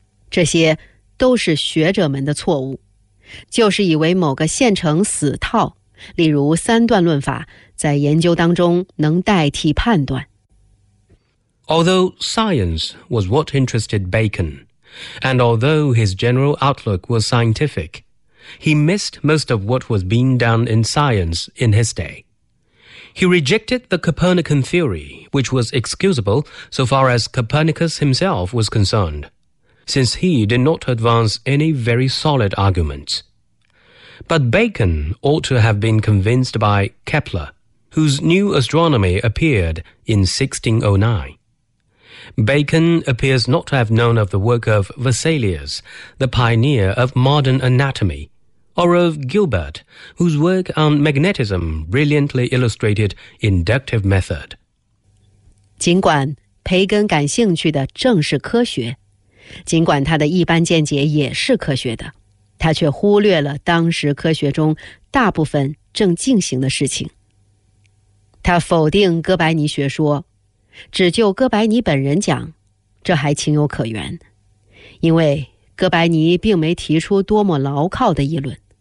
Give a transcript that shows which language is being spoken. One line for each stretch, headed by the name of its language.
Chinese: 这些都是学者们的错误，就是以为某个现成死套，例如三段论法，在研究当中能代替判断。
English: Although science was what interested Bacon,And although his general outlook was scientific, he missed most of what was being done in science in his day. He rejected the Copernican theory, which was excusable so far as Copernicus himself was concerned, since he did not advance any very solid arguments. But Bacon ought to have been convinced by Kepler, whose new astronomy appeared in 1609. Bacon appears not to have known of the work of Vesalius, the pioneer of modern anatomy, or of Gilbert, whose work on magnetism brilliantly illustrated inductive method.
Chinese: 尽管培根感兴趣的正是科学，尽管他的一般见解也是科学的，他却忽略了当时科学中大部分正进行的事情。他否定哥白尼学说，只就哥白尼本人讲，这还情有可原，因为哥白尼并没提出多么牢靠的议论。